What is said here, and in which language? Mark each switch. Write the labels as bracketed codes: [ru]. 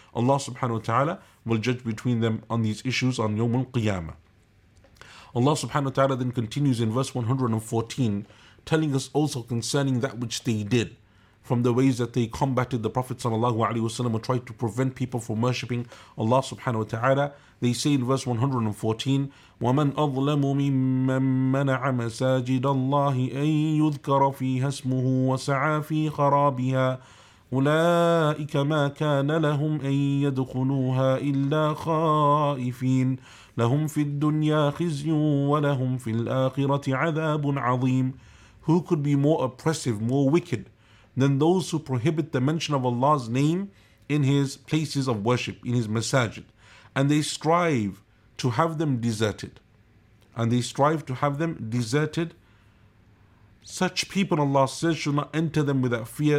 [en] Allah subhanahu wa ta'ala will judge between them on these issues on Yawm al-Qiyamah. Allah subhanahu wa ta'ala then continues in verse 114, telling us also concerning that which they did, from the ways that they combated the Prophet sallallahu alaihi wasallam, or tried to prevent people from worshipping Allah subhanahu wa ta'ala. They say in verse 114, [ar] وَمَنْ أَظْلَمُ مِمَّنْ مَنَعَ مَسَاجِدَ اللَّهِ أَنْ يُذْكَرَ فِيهَا اسْمُهُ وَسَعَى فِي خَرَابِهَا أُولَٰئِكَ مَا كَانَ لَهُمْ أَنْ يَدْخُلُوهَا إِلَّا خَائِفِينَ لَهُمْ فِي الدُّنْيَا خِزْيٌ وَلَهُمْ فِي الْآخِرَةِ عَذَابٌ عَظِيمٌ. [en] Who could be more oppressive, more wicked than those who prohibit the mention of Allah's name in His places of worship, in His masajid, and they strive to have them deserted. And they strive to have them deserted. Such people, Allah says, should not enter them without fear.